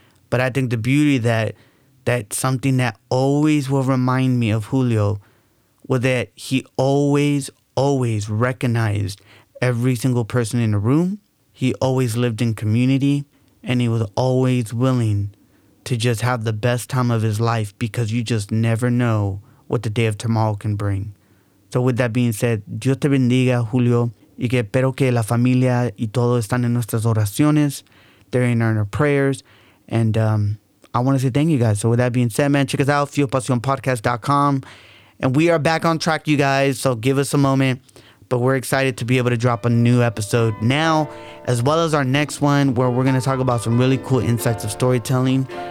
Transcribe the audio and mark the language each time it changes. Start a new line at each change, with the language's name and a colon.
English: But I think the beauty that something that always will remind me of Julio was that he always, always recognized every single person in the room. He always lived in community, and he was always willing to just have the best time of his life, because you just never know what the day of tomorrow can bring. So with that being said,
Spanish: Dios te bendiga, Julio, y que espero que la familia y todo están en nuestras oraciones.
English: They're in our prayers, and I want to say thank you guys. So with that being said, man, check us out, FuelPasionPodcast.com. And we are back on track, you guys. So give us a moment. But we're excited to be able to drop a new episode now, as well as our next one, where we're going to talk about some really cool insights of storytelling.